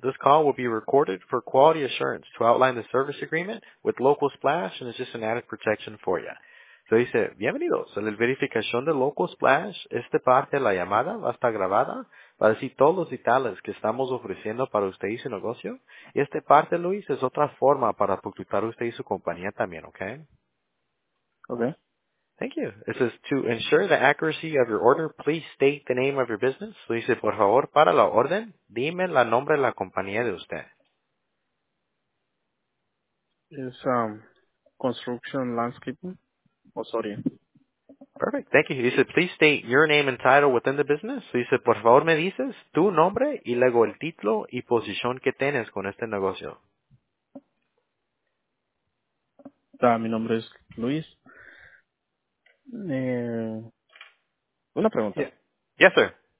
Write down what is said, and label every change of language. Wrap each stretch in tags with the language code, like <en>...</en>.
<en>This call will be recorded for quality assurance to outline the service agreement with Local Splash, and it's just an added protection for you.</en> <es>So dice, bienvenidos a la verificación de Local Splash. Esta parte de la llamada va a estar grabada para decir todos los detalles que estamos ofreciendo para usted y su negocio. Y esta parte, Luis, es otra forma para publicitar usted y su compañía también, ¿ok? Ok.</es> <en>Thank you. It says, to ensure the accuracy of your order, please state the name of your business.</en> <es>So dice, por favor, para la orden, dime el nombre de la compañía de usted.</es> <en>It's Construction Landscaping. Osorio. Perfect. Thank you. He said, please state your name and title within the business. So he said,</en> <es>por favor, me dices tu nombre y luego el título y posición que tienes con este negocio. Mi nombre es Luis. Una pregunta.</es> <en>Yeah. Yes, sir.</en>